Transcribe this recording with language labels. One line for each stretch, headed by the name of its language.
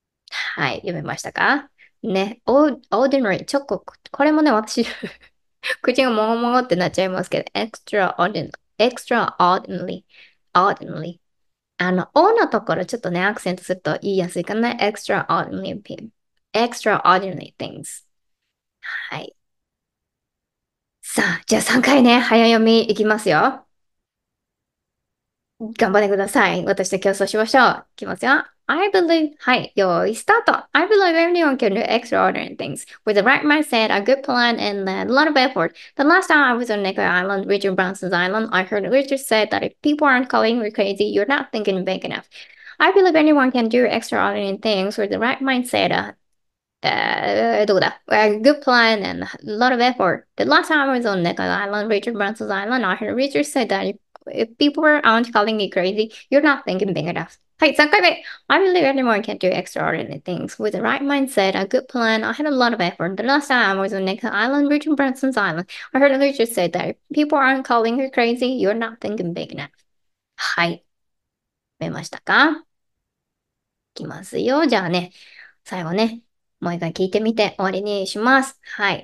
Japanese: はい、読めましたか？ね、ordinary、ちょっと、これもね、私 口がもごもごってなっちゃいますけど、extraordinary。おのところちょっとね、アクセントすると言いやすいかな。
English: extraordinary things。 はい。
Japanese: さあ、じゃあ3回ね、早読みいきますよ。頑張ってください。私と競争しましょう。いきますよ。
English: I believe,
Japanese: はい、よーい、スタート。
English: I believe anyone can do extraordinary things with the right mindset, a good plan, and a lot of effort. The last time I was on Necker Island, Richard Branson's island, I heard Richard say that if people aren't calling you crazy, you're not thinking big enough. I believe anyone can do extraordinary things with the right mindset,
Japanese: どうだ、
English: a good plan, and a lot of effort. The last time I was on Necker Island, Richard Branson's island, I heard Richard say that if people aren't calling you crazy, you're not thinking big enough.
Japanese: はい、3回目。
English: I believe anyone can do extraordinary things with the right mindset, a good plan. I had a lot of effort. The last time I was on Necker Island, Richard Branson's island, I heard Richard say that people aren't calling you crazy, you're not thinking big enough.
Japanese: はい。見ましたか？いきますよ。じゃあね、最後ね、もう一回聞いてみて終わりにします。はい。